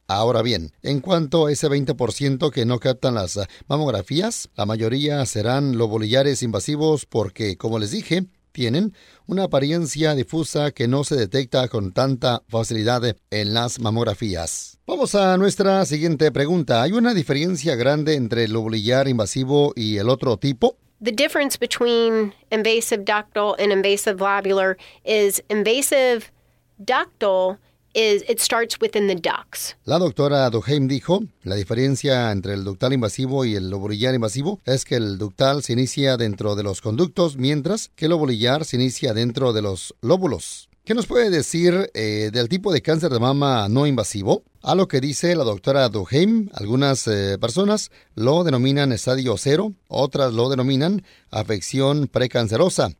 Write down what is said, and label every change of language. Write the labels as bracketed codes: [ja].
[es] Ahora bien, en cuanto a ese 20% que no captan las mamografías, la mayoría serán lobulillares invasivos porque, como les dije, tienen una apariencia difusa que no se detecta con tanta facilidad en las mamografías. Vamos a nuestra siguiente pregunta. ¿Hay una diferencia grande entre el lobulillar invasivo y el otro tipo? [en] The difference between invasive ductal and invasive lobular is invasive ductal is it starts within the ducts. [es] La doctora Duhaime dijo, la diferencia entre el ductal invasivo y el lobulillar invasivo es que el ductal se inicia dentro de los conductos, mientras que el lobulillar se inicia dentro de los lóbulos. ¿Qué nos puede decir del tipo de cáncer de mama no invasivo? A lo que dice la doctora Duhaime, algunas personas lo denominan estadio cero, otras lo denominan afección precancerosa.